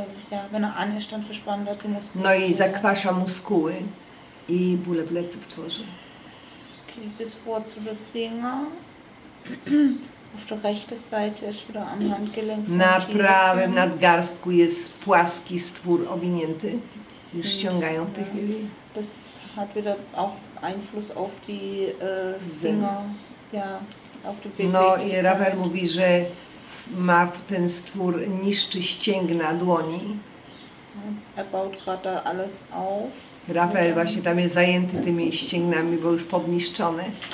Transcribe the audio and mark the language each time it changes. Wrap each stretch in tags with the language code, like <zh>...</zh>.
<de>Ja, wenn er an ist, dann verspannt er die Muskeln.</de> <pl>No i zakwasza muskuły i bóle pleców tworzy.</pl> <de>Okay, bis vor zu den Finger. Auf der rechten Seite ist wieder am Handgelenk.</de> <pl>Na prawym nadgarstku jest płaski stwór owinięty. Już ściągają w tej chwili.</pl> <de>Das hat wieder auch Einfluss auf die Finger. Ja, auf die</de> <pl>no i Rafael mówi, że ma ten stwór niszczy ścięgna dłoni.</pl> <de>Er baut gerade alles auf.</de> <pl>Rafael właśnie tam jest zajęty tymi ścięgnami, bo już podniszczone.</pl>